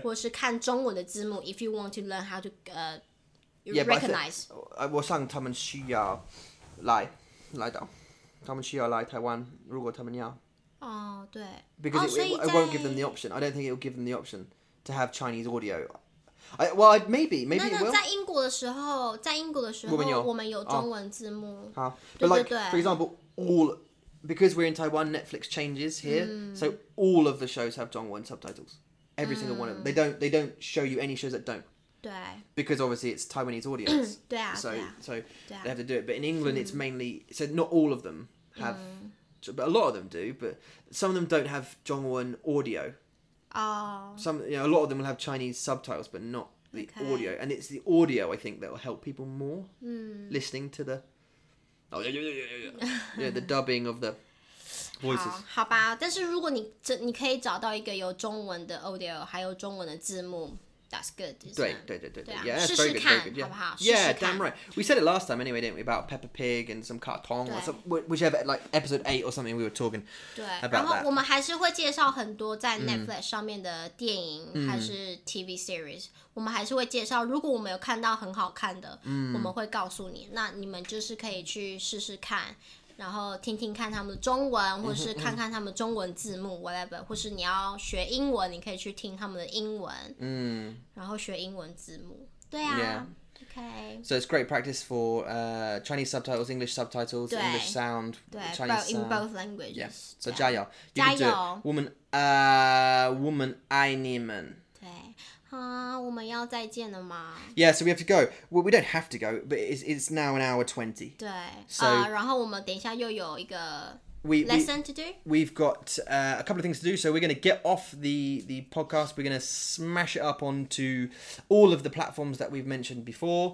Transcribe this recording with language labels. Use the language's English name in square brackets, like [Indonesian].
[Chinese] 或是看中文的字幕 if you want to learn how to recognize. 我想他们需要来到，他们需要来台湾，如果他们要。哦，对。 [English] Because it won't give them the option. I don't think it will give them the option to have Chinese audio. Maybe it will. [Chinese] 在英国的时候，我们有中文字幕。好。 [English] But like, for example, all, because we're in Taiwan, Netflix changes here, so all of the shows have 中文 subtitles. Every single one of them. They don't show you any shows that don't. [Chinese] 对 [English] because obviously it's Taiwanese audience. [Chinese] 对啊， [English] so they have to do it. But in England, it's mainly so not all of them have, but a lot of them do. But some of them don't have Zhongwen audio. Some, you know, a lot of them will have Chinese subtitles, but not the audio. And it's the audio I think that will help people more listening to the, the dubbing of the. [Chinese] 好吧，但是如果你可以找到一个有中文的 audio， 还有中文的字幕。 [English] That's good. [Chinese] 对，试试看， [English] very good, [Chinese] 好不好？ [English] Yeah, damn right. We said it last time anyway, didn't we? About Peppa Pig and some cartoon or something, whichever, like episode 8 or something. We were talking about that. [Chinese] 然后我们还是会介绍很多在 Netflix 上面的电影还是 TV series。我们还是会介绍，如果我们有看到很好看的，我们会告诉你。那你们就是可以去试试看，然后听听看他们的中文，或是看看他们中文字幕whatever， 或是你要学英文，你可以去听他们的英文，然后学英文字幕，对啊 [English] OK. So it's great practice for Chinese subtitles, English subtitles, English sound, Chinese sound. In both languages. Yes. So 加油， [Chinese] 加油！我们爱你们。我们要再见了吗？ [English] Yeah, so we have to go. Well, we don't have to go, but it's now an hour 20. [Chinese] 对。 [English] So, [Chinese] 然后我们等一下又有一个 [English] lesson to do. We've got a couple of things to do, so we're going to get off the podcast. We're going to smash it up onto all of the platforms that we've mentioned before.